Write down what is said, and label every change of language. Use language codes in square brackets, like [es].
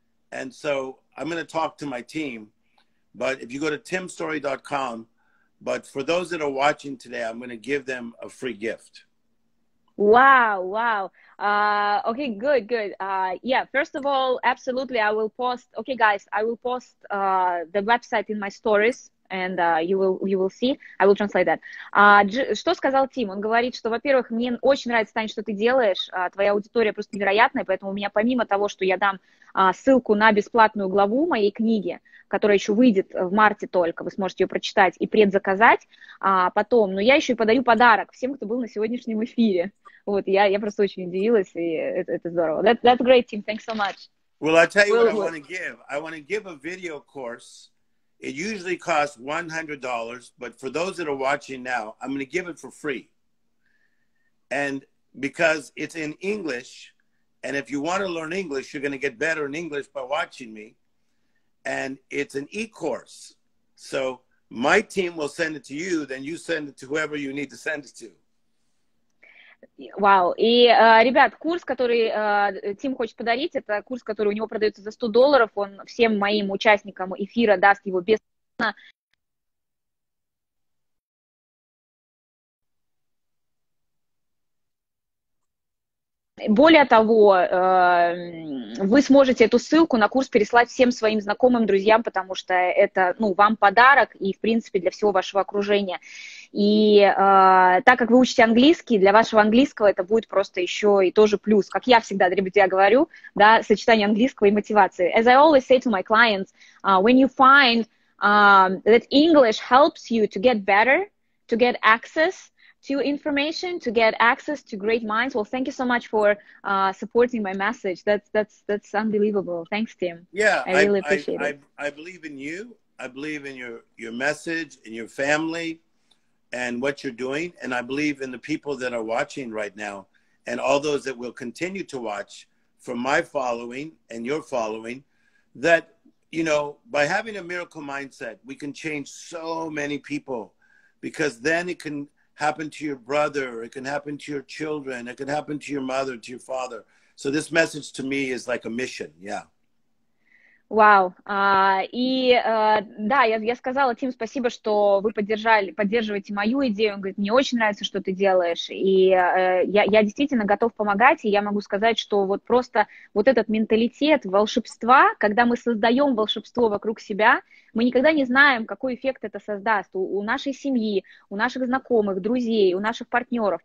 [en] And so I'm going to talk to my team. But if you go to timstory.com, but for those that are watching today, I'm going to give them a free gift. Wow. Okay, good. First of all, absolutely, I will post, okay, guys, I will post the website in my stories, and you will see, I will translate that. [ru] Что сказал Тим? Он говорит, что, во-первых, мне очень нравится, Таня, что ты делаешь, твоя аудитория просто невероятная, поэтому у меня помимо того, что я дам ссылку на бесплатную главу моей книги, которая еще выйдет в марте только, вы сможете ее прочитать и предзаказать потом, но я еще и подарю подарок всем, кто был на сегодняшнем эфире. Вот, я просто очень удивилась, и это здорово. [en] That's great, Tim. Thanks so much. Well, I'll tell you what I want to give. I want to give a video course. It usually costs $100, but for those that are watching now, I'm going to give it for free. And because it's in English, and if you want to learn English, you're going to get better in English by watching me. And it's an e-course. So my team will send it to you, then you send it to whoever you need to send it to. [ru] Вау. И, ребят, курс, который Тим хочет подарить, это курс, который у него продается за $100. Он всем моим участникам эфира даст его бесплатно. Более того, вы сможете эту ссылку на курс переслать всем своим знакомым, друзьям, потому что это, ну, вам подарок и, в принципе, для всего вашего окружения. И так как вы учите английский, для вашего английского это будет просто еще и тоже плюс. Как я всегда, ребята, я говорю, да, сочетание английского и мотивации. [en] As I always say to my clients, when you find that English helps you to get better, to get access to information, to get access to great minds, well, thank you so much for supporting my message. That's unbelievable. Thanks, Tim. Yeah, I really appreciate it. I believe in you. I believe in your message, in your family, and what you're doing, and I believe in the people that are watching right now, and all those that will continue to watch from my following and your following, that, you know, by having a miracle mindset, we can change so many people, because then it can happen to your brother, it can happen to your children, it can happen to your mother, to your father. So this message to me is like a mission, yeah. [ru] Вау. Я сказала, Тим, спасибо, что вы поддерживаете мою идею. Он говорит, мне очень нравится, что ты делаешь. И я действительно готов помогать. И я могу сказать, что вот просто вот этот менталитет волшебства, когда мы создаем волшебство вокруг себя, мы никогда не знаем, какой эффект это создаст у нашей семьи, у наших знакомых, друзей, у наших партнеров.